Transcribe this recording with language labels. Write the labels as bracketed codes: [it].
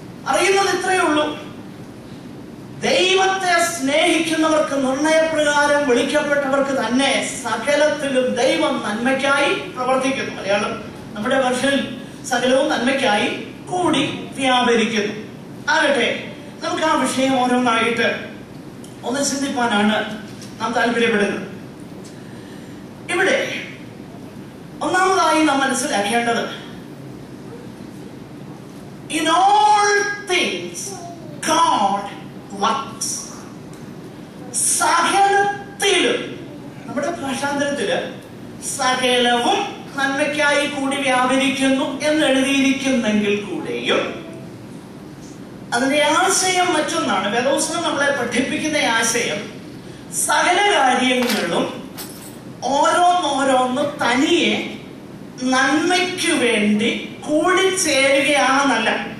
[ml] അറിയുന്നത് ഇത്രയേ ഉള്ളൂ, ദൈവത്തെ സ്നേഹിക്കുന്നവർക്ക്, നിർണയപ്രകാരം വിളിക്കപ്പെട്ടവർക്ക് തന്നെ സകലത്തിലും ദൈവം നന്മയ്ക്കായി പ്രവർത്തിക്കുന്നു. മലയാളം നമ്മുടെ ഭാഷയിൽ സകലവും നന്മയ്ക്കായി കൂടി വ്യാപരിക്കുന്നു. ആകട്ടെ, നമുക്ക് ആ വിഷയം ഓരോന്നായിട്ട് ഒന്ന് ചിന്തിപ്പാനാണ് നാം താല്പര്യപ്പെടുന്നത്. ഇവിടെ ഒന്നാമതായി നാം മനസ്സിലാക്കേണ്ടത്, [en] In all things, God works. [ml] സകലത്തിലും, നമ്മുടെ ഭാഷാന്തരത്തില് സകലവും നന്മയ്ക്കായി കൂടി വ്യാപരിക്കുന്നു എന്ന് എഴുതിയിരിക്കുന്നെങ്കിൽ കൂടെയും അതിന്റെ ആശയം മറ്റൊന്നാണ്. വേദോസ്തം നമ്മളെ പഠിപ്പിക്കുന്ന ആശയം, സകല കാര്യങ്ങളും ഓരോന്നോരോന്ന് തനിയെ നന്മയ്ക്ക് വേണ്ടി കൂടിച്ചേരുകയാണെന്നല്ല.